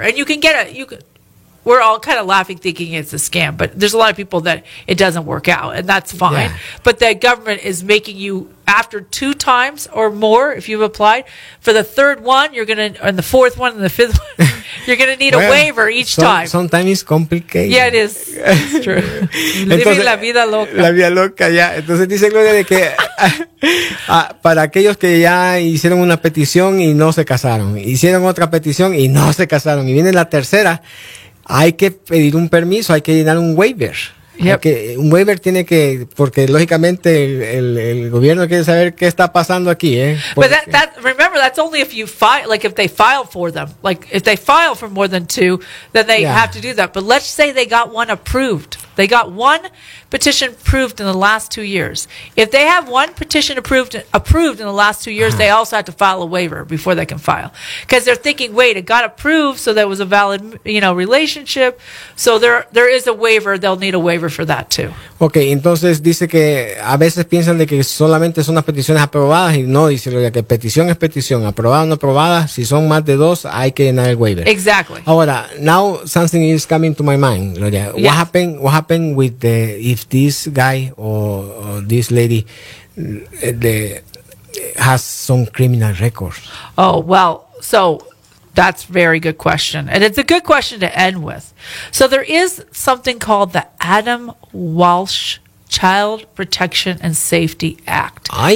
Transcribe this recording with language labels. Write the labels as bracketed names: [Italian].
[English] And you can get we're all kind of laughing thinking it's a scam, but there's a lot of people that it doesn't work out, and that's fine. Yeah. But the government is making you, after two times or more, if you've applied, for the third one, you're going to, and the fourth one, and the fifth one, you're going to need a waiver each time. Sometimes it's complicated. Yeah, it is. It's true. [Spanish] Entonces, la vida loca. La vida loca, ya. Yeah. Entonces dice Gloria de que para aquellos que ya hicieron una petición y no se casaron, hicieron otra petición y no se casaron, y viene la tercera, hay que pedir un permiso, hay que llenar un waiver. [English] Yep. [Spanish] Un waiver tiene que, porque lógicamente el gobierno quiere saber qué está pasando aquí, [English] But that remember, that's only if you file, like if they file for them. Like if they file for more than two, then they yeah. have to do that. But let's say they got one approved. They got one petition approved in the last 2 years. If they have one petition approved in the last 2 years, uh-huh. they also have to file a waiver before they can file. Because they're thinking, wait, it got approved, so that was a valid, you know, relationship. So there is a waiver. They'll need a waiver for that, too. [Spanish] Okay, entonces dice que a veces piensan de que solamente son las peticiones aprobadas. Y no, dice lo de que petición es petición. Aprobada o no aprobada, si son más de dos, hay que llenar el waiver. [English] Exactly. Ahora, now something is coming to my mind, Gloria. Yes. What happened with the if this guy or this lady has some criminal record? Oh, well, so That's a very good question. And it's a good question to end with. So there is something called the Adam Walsh Child Protection and Safety Act.